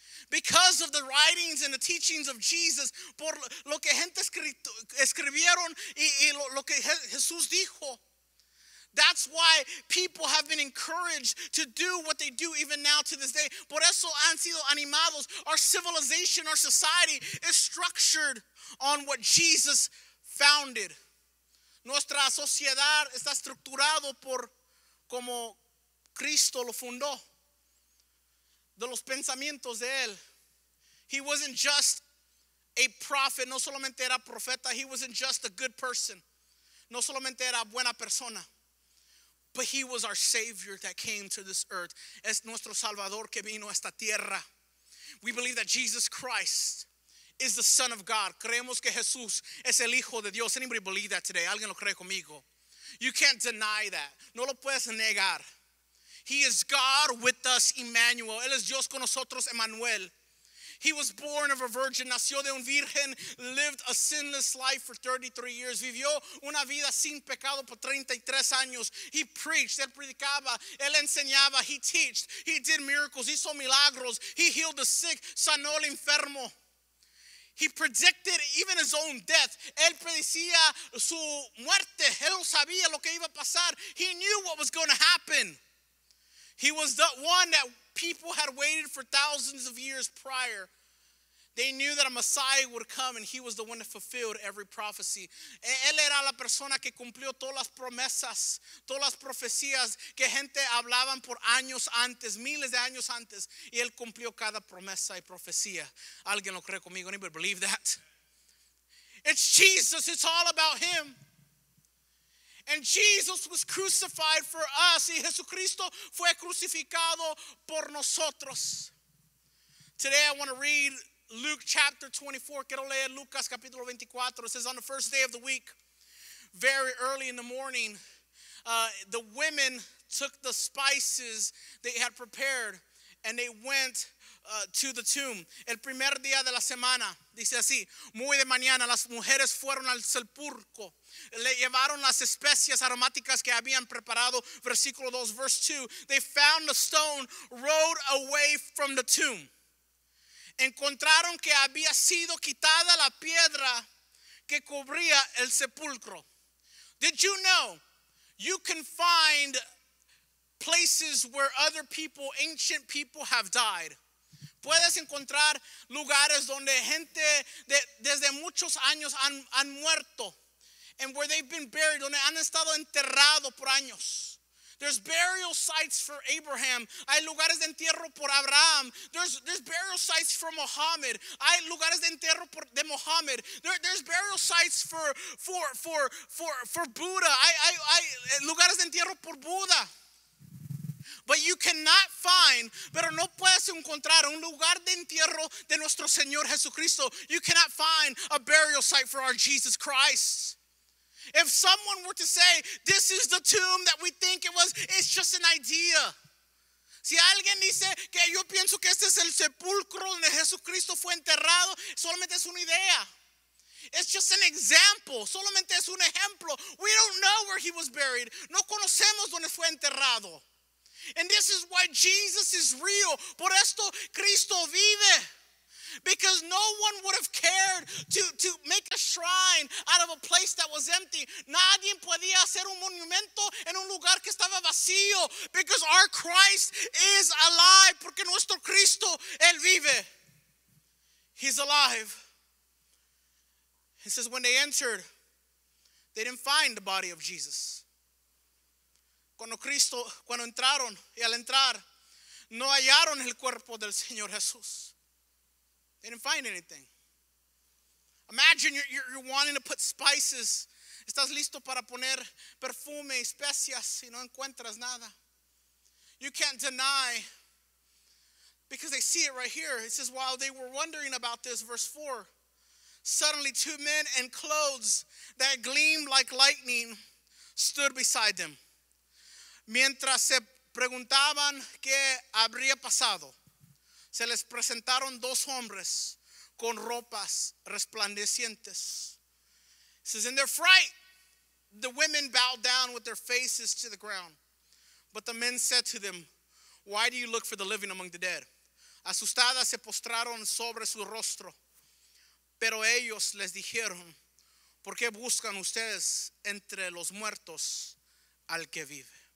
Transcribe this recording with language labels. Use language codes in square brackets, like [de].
[en] Because of the writings and the teachings of Jesus, [es] por lo que gente escribieron y lo que Jesús dijo. [en] That's why people have been encouraged to do what they do even now to this day. [es] Por eso han sido animados. [en] Our civilization, our society is structured on what Jesus founded. [es] Nuestra sociedad está estructurado por como Cristo lo fundó. De los pensamientos de él. [en] He wasn't just a prophet. [es] No solamente era profeta. [en] He wasn't just a good person. [es] No solamente era buena persona. [en] But he was our Savior that came to this earth. [es] Es nuestro Salvador que vino a esta tierra. [en] We believe that Jesus Christ is the Son of God. [es] Creemos que Jesús es el Hijo de Dios. [en] Anybody believe that today? [es] Alguien lo cree conmigo? [en] You can't deny that. [es] No lo puedes negar. [en] He is God with us, Emmanuel. [es] Él es Dios con nosotros, Emmanuel. [en] He was born of a virgin, [es] nació de un virgen, [en] lived a sinless life for 33 years, [es] vivió una vida sin pecado por 33 años. [en] He preached, [es] él predicaba, él enseñaba, [en] he taught, he did miracles, [es] hizo milagros, [en] he healed the sick, [es] sanó el enfermo. [en] He predicted even his own death. [es] Él predecía su muerte, él sabía lo que iba a pasar. [en] He knew what was going to happen. He was the one that people had waited for thousands of years prior. They knew that a Messiah would come, and he was the one that fulfilled every prophecy. [es] Él era la persona que cumplió todas las promesas, todas las profecías que gente hablaban por años antes, miles de años antes, y él cumplió cada promesa y profecía. ¿Alguien lo cree conmigo? [en] Anybody believe that? It's Jesus. It's all about him. And Jesus was crucified for us. [es] Y Jesucristo fue crucificado por nosotros. [en] Today I want to read Luke chapter 24. [es] Quiero leer Lucas capítulo 24. [en] It says, on the first day of the week, very early in the morning, the women took the spices they had prepared and they went to the tomb. [es] El primer día de la semana, dice así, muy de mañana, las mujeres fueron al sepulcro. Le llevaron las especias aromáticas que habían preparado. Versículo 2, [en] verse 2. They found the stone rolled away from the tomb. [es] Encontraron que había sido quitada la piedra que cubría el sepulcro. [en] Did you know you can find places where other people, ancient people, have died? [es] Puedes encontrar lugares donde gente desde muchos años han muerto. [en] And where they've been buried, [es] donde han estado enterrado por años. [en] There's burial sites for Abraham. [es] Hay lugares de entierro por Abraham. [en] There's burial sites for Muhammad. [es] Hay lugares de entierro por de Muhammad. [en] There's burial sites for Buddha. [es] Hay lugares de entierro por Buda. [en] But you cannot find, [es] pero no puedes encontrar un lugar de entierro de nuestro Señor Jesucristo. [en] You cannot find a burial site for our Jesus Christ. If someone were to say, this is the tomb that we think it was, it's just an idea. [es] Si alguien dice que yo pienso que este es el sepulcro donde Jesucristo fue enterrado, solamente es una idea. [en] It's just an example. [es] Solamente es un ejemplo. [en] We don't know where he was buried. [es] No conocemos donde fue enterrado. [en] And this is why Jesus is real. [es] Por esto Cristo vive. [en] Because no one would have cared to make a shrine out of a place that was empty. [es] Nadie podía hacer un monumento en un lugar que estaba vacío. [en] Because our Christ is alive. [es] Porque nuestro Cristo, Él vive. [en] He's alive. It says when they entered, they didn't find the body of Jesus. [es] Cuando entraron y al entrar, no hallaron el cuerpo del Señor Jesús. [en] They didn't find anything. Imagine you're wanting to put spices. [es] Estás listo para poner perfume, especias, y no encuentras nada. [en] You can't deny because they see it right here. It says, while they were wondering about this, verse 4, suddenly two men in clothes that gleamed like lightning stood beside them. [es] Mientras se preguntaban qué habría pasado, se les presentaron dos hombres con ropas resplandecientes. [en] It says, in their fright, the women bowed down with their faces to the ground. But the men said to them, why do you look for the living among the dead? [es] Asustadas se postraron sobre su rostro. Pero ellos les dijeron, ¿por qué buscan ustedes entre los muertos al que vive?